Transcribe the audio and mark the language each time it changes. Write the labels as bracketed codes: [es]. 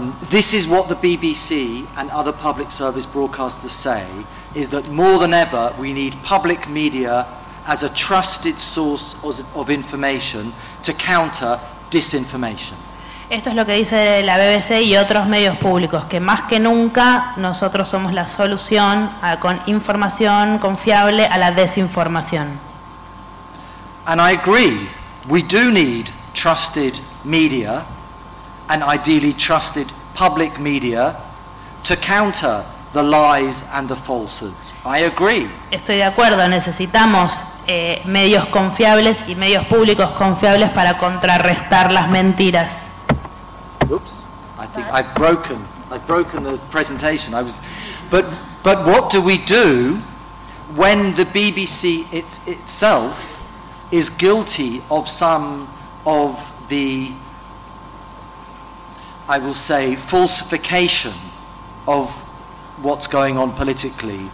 [en] This is what the BBC and other public service broadcasters say, is that more than ever we need public media as a trusted source of information to counter disinformation. [es] Esto es lo que dice la BBC y otros medios públicos, que más que nunca nosotros somos la solución con información confiable a la desinformación. [en] And I agree, we do need trusted media and ideally trusted public media to counter the lies and the falsehoods. I agree. [es] Estoy de acuerdo, necesitamos medios confiables y medios públicos confiables para contrarrestar las mentiras. [en] Oops. I think I've broken the presentation. But what do we do when the BBC itself is guilty of some of the, I will say, falsification of what's going on politically?